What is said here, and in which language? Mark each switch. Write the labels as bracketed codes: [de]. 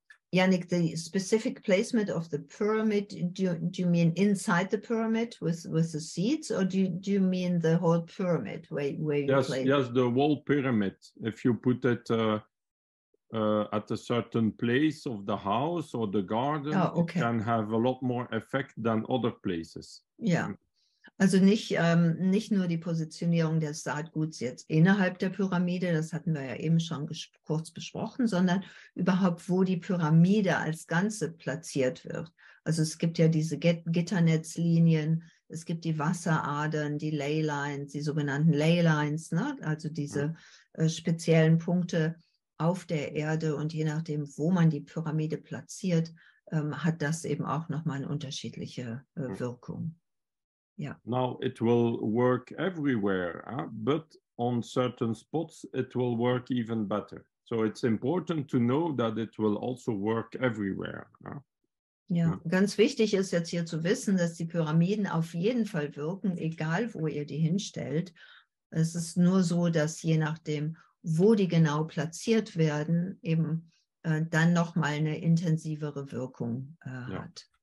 [en] Yannick, the specific placement of the pyramid, do you mean inside the pyramid with the seeds, or do you mean the whole pyramid where you place? Yes, the whole pyramid. If you put it at a certain place of the house or the garden, it can have a lot more effect than other places. Yeah. [de] Also nicht nur die Positionierung des Saatguts jetzt innerhalb der Pyramide, das hatten wir ja eben schon kurz besprochen, sondern überhaupt, wo die Pyramide als Ganze platziert wird. Also es gibt ja diese Gitternetzlinien, es gibt die Wasseradern, die Leylines, die sogenannten Leylines, ne? Also diese speziellen Punkte auf der Erde, und je nachdem, wo man die Pyramide platziert, hat das eben auch nochmal eine unterschiedliche Wirkung. [en] Yeah. Now it will work everywhere, but on certain spots it will work even better. So it's important to know that it will also work everywhere. [de] Ganz wichtig ist jetzt hier zu wissen, dass die Pyramiden auf jeden Fall wirken, egal wo ihr die hinstellt. Es ist nur so, dass je nachdem, wo die genau platziert werden, eben dann nochmal eine intensivere Wirkung hat.